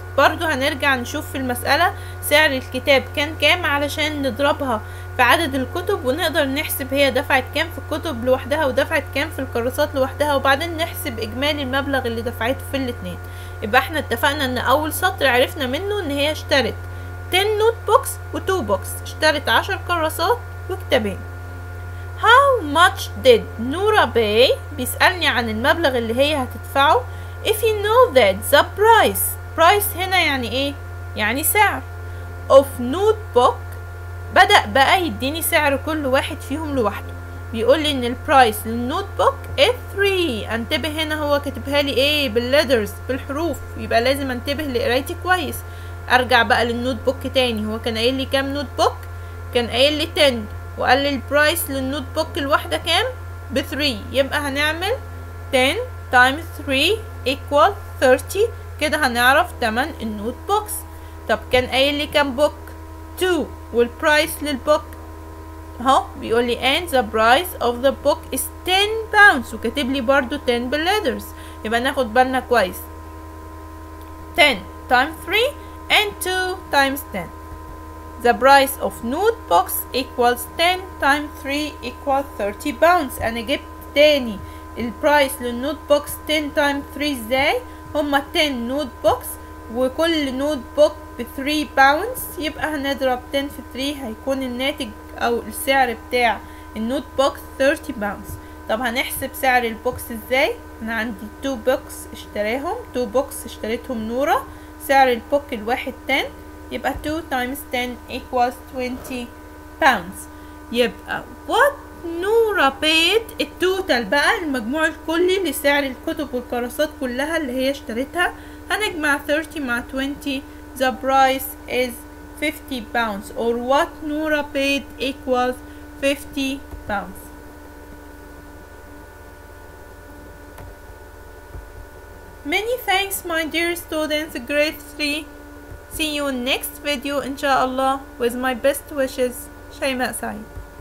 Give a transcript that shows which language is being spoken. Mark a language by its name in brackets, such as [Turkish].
[Arabic] برضو هنرجع نشوف في المسألة سعر الكتاب كان كام علشان نضربها في عدد الكتب ونقدر نحسب هي دفعت كام في الكتب لوحدها ودفعت كام في الكراسات لوحدها وبعدين نحسب اجمالي المبلغ اللي دفعته في الاثنين. يبقى احنا اتفقنا ان اول سطر عرفنا منه ان هي اشترت 10 نوت بوكس و 2 بوكس، اشترت 10 كراسات وكتابين. [English] How much did Nora pay؟ [Arabic] بيسألني عن المبلغ اللي هي هتدفعه. [English] If you know that the price، [Arabic] برايس هنا يعني ايه؟ يعني سعر. [English] of notebook [Arabic] بدأ بقى يديني سعر كل واحد فيهم لوحده، بيقول لي ان البرايس للنوتبوك A3. انتبه هنا هو كتبها لي ايه؟ بالليدرز، بالحروف، يبقى لازم انتبه لقرايتي كويس. ارجع بقى للنوتبوك تاني، هو كان قايل لي كام نوتبوك؟ كان قايل لي 10، وقال لي البرايس للنوتبوك الواحدة كام؟ ب3. يبقى هنعمل 10 × 3 = 30، كده هنعرف تمن النوت بوكس. طب كان قايل لي كام بوك؟ 2. والبرايس للبوك اهو بيقول لي [English] and the price of the book is 10 pounds، [Arabic] وكاتب لي برده 10 بالليدرز. يبقى ناخد بالنا كويس، 10 × 3 and 2 × 10. [English] The price of note books equals 10 × 3 = 30 pounds. [Arabic] انا جبت تاني البرايس للنوت بوكس 10 × 3 ازاي؟ هما 10 نوت بوكس وكل نوت بوك ب 3 باوندز، يبقى هنضرب 10 في 3 هيكون الناتج او السعر بتاع النوت بوك 30 باوندز. طب هنحسب سعر البوكس ازاي؟ انا عندي 2 بوكس اشتريهم، 2 بوكس اشتريتهم نورة، سعر البوك الواحد 10، يبقى 2 × 10 = 20 pounds. يبقى [English] what Nora paid [Arabic] التوتال بقى المجموع الكلي لسعر الكتب والكراسات كلها اللي هي اشتريتها، هنجمع 30 × 20. [English] The price is 50 pounds، or what Nora paid equals 50 pounds. Many thanks my dear students grade 3. See you in next video insha'Allah with my best wishes. شيماء سعيد.